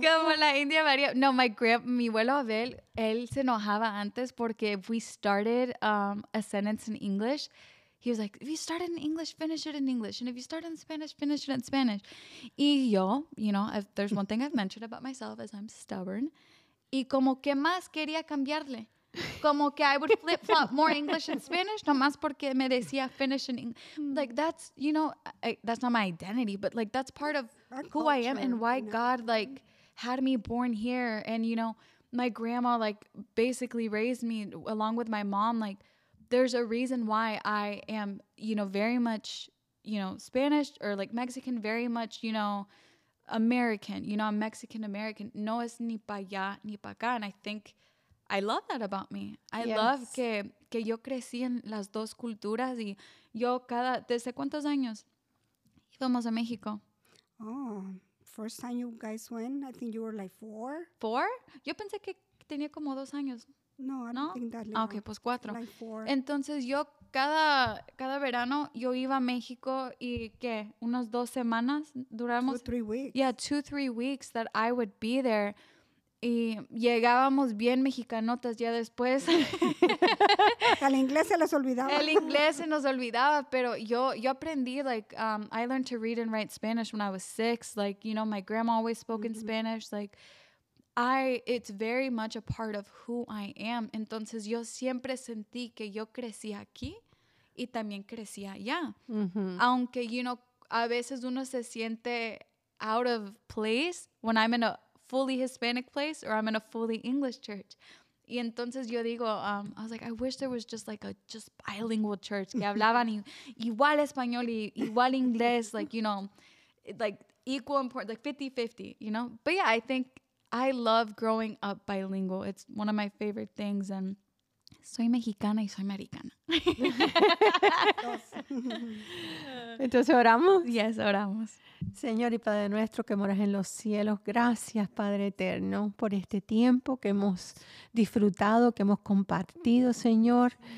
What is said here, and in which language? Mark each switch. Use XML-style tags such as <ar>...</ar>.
<es>Como la India María.</es> <en>No, my grandpa,</en> <es>mi abuelo Abel, él se enojaba antes porque</es> <en>if we started a sentence in English, he was like, if you start it in English, finish it in English. And if you start in Spanish, finish it in Spanish.</en> <es>Y yo,</es> <en>you know, if there's one thing I've mentioned about myself is I'm stubborn.</en> <es>Y como que más quería cambiarle. Como que</es> <en>I would flip-flop more English and Spanish,</en> <es>nomás porque me decía</es> <en>finish in English. Like, that's, you know, that's not my identity, but, like, that's part of who I am and why God, like, had me born here. And, you know, my grandma, like, basically raised me along with my mom. Like, there's a reason why I am, you know, very much, you know, Spanish or, like, Mexican, very much, you know, American. You know, I'm Mexican-American.</en> <es>No es ni pa allá ni pa acá.</es> <en>And I think I love that about me. I love</en> <es>que yo crecí en las dos culturas y yo cada... ¿Desde cuántos años íbamos a México?</es> <en>Oh, first time you guys went, I think you were like 4. 4?</en> <es>Yo pensé que tenía como 2 años.</es> <en>No, I don't think that.</en> <es>Okay, pues 4.</es> <en>Like 4.</en> <es>Entonces yo cada verano yo iba a México y ¿qué? ¿Unas 2 semanas duramos?</es> <en>2 or 3 weeks. Yeah, 2 or 3 weeks that I would be there.</en> <es>Y llegábamos bien mexicanotas ya después. El inglés se les olvidaba. El inglés se nos olvidaba, pero yo aprendí,</es> <en>like, I learned to read and write Spanish when I was 6. Like, you know, my grandma always spoke in Spanish. Like, it's very much a part of who I am.</en> <es>Entonces, yo siempre sentí que yo crecí aquí y también crecí allá. Mm-hmm. Aunque,</es> <en>you know,</en> <es>a veces uno se siente</es> <en>out of place when I'm in a fully Hispanic place or I'm in a fully English church.</en> <es>Y entonces yo digo,</es> <en>I was like, I wish there was just like a just bilingual church</en> <es>que hablaban igual español y igual inglés,</es> <en>like, you know, like equal importance, like 50-50, you know? But yeah, I think I love growing up bilingual. It's one of my favorite things.</en> <es>And soy mexicana y soy americana. Entonces, ¿oramos? Yes, oramos. Señor y Padre nuestro que moras en los cielos, gracias, Padre eterno, por este tiempo que hemos disfrutado, que hemos compartido, Señor.</es>